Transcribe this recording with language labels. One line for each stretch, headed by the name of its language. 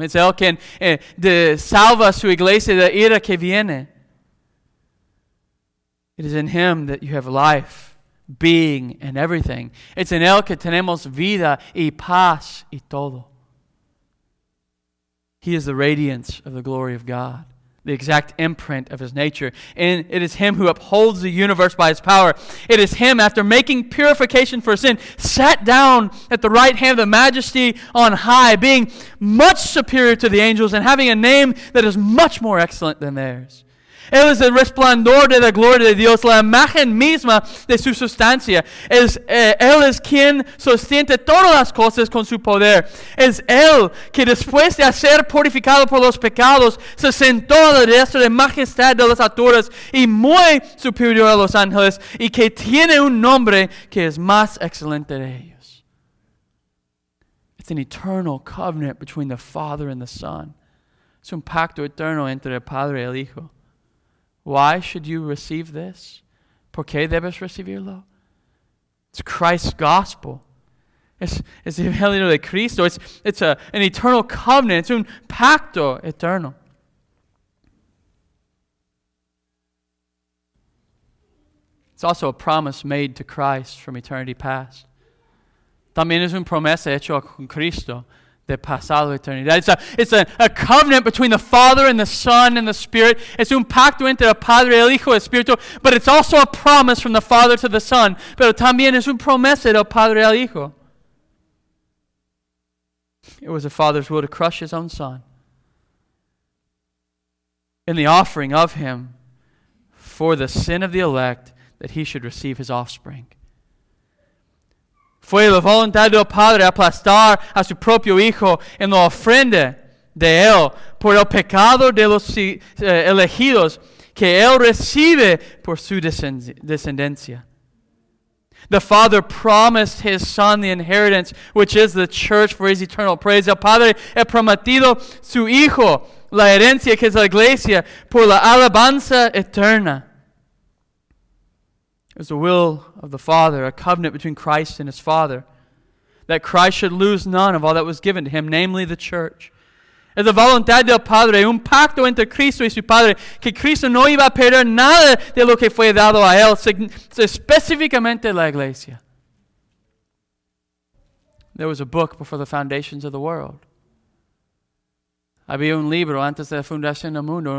Spanish: Es él quien salva su iglesia de la ira que viene.
English: It is in him that you have life, being, and everything. It's in
Spanish: él que tenemos vida y paz y todo.
English: He is the radiance of the glory of God, the exact imprint of his nature. And it is him who upholds the universe by his power. It is him, after making purification for sin, sat down at the right hand of the majesty on high, being much superior to the angels and having a name that is much more excellent than theirs.
Spanish: Él es el resplandor de la gloria de Dios, la imagen misma de su sustancia. Él es quien sostiene todas las cosas con su poder. Es él que después de ser purificado por los pecados, se sentó a la diestra de majestad de las alturas y muy superior a los ángeles, y que tiene un nombre que es más excelente de ellos. Es un
English: eternal covenant between the Father and the Son.
Spanish: Es un pacto eterno entre el Padre y el Hijo.
English: Why should you receive this?
Spanish: ¿Por qué debes recibirlo?
English: It's Christ's gospel. It's the
Spanish: Evangelio de Cristo.
English: It's an eternal covenant. It's
Spanish: un pacto eterno.
English: It's also a promise made to Christ from eternity past.
Spanish: También es una promesa hecha con Cristo de pasado eternidad.
English: It's a covenant between the Father and the Son and the Spirit.
Spanish: Es un pacto entre el Padre, el Hijo y el Espíritu.
English: But it's also a promise from the Father to the Son.
Spanish: Pero también es un promesa del Padre al Hijo.
English: It was the Father's will to crush his own Son. In the offering of him for the sin of the elect, that he should receive his offspring.
Spanish: Fue la voluntad del Padre aplastar a su propio Hijo en la ofrenda de él por el pecado de los elegidos que él recibe por su descendencia.
English: The Father promised his Son the inheritance, which is the church, for his eternal praise.
Spanish: El Padre ha prometido su Hijo la herencia, que es la iglesia, por la alabanza eterna.
English: It was the will of the Father, a covenant between Christ and his Father, that Christ should lose none of all that was given to him, namely the church.
Spanish: Es la voluntad del Padre, un pacto entre Cristo y su Padre, que Cristo no iba a perder nada de lo que fue dado a él, específicamente la iglesia.
English: There was a book before the foundations of the world.
Spanish: Había un libro antes de la fundación del mundo.